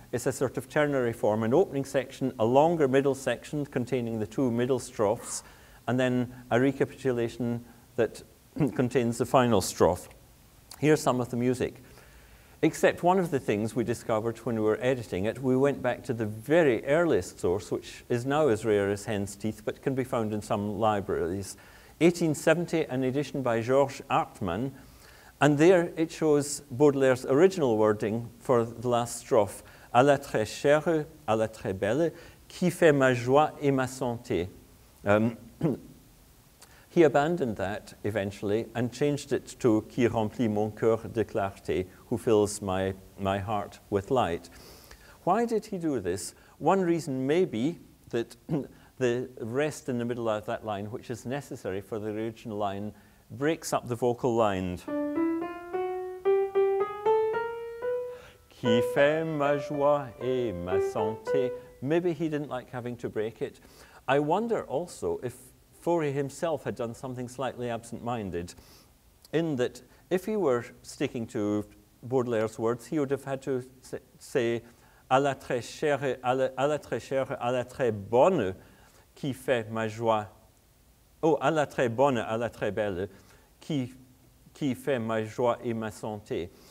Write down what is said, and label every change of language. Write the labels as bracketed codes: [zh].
[en] It's a sort of ternary form, an opening section, a longer middle section containing the two middle strophes, and then a recapitulation that contains the final strophe. Here's some of the music. Except one of the things we discovered when we were editing it, we went back to the very earliest source, which is now as rare as hen's teeth, but can be found in some libraries. 1870, an edition by Georges Hartmann, and there it shows Baudelaire's original wording for the last strophe, [fr] à la très chère, à la très belle, qui fait ma joie et ma santé. [en] he abandoned that eventually and changed it to [fr] qui remplit mon cœur de clarté, [en] who fills my heart with light. Why did he do this? One reason may be that the rest in the middle of that line, which is necessary for the original line, breaks up the vocal line. [fr] Qui fait ma joie et ma santé. [en] Maybe he didn't like having to break it. I wonder also if Fauré himself had done something slightly absent-minded, in that if he were sticking to Baudelaire's words, he would have had to say [fr] à la très chère, à la très bonne, qui fait ma joie, oh, à la très bonne, à la très belle, qui fait ma joie et ma santé.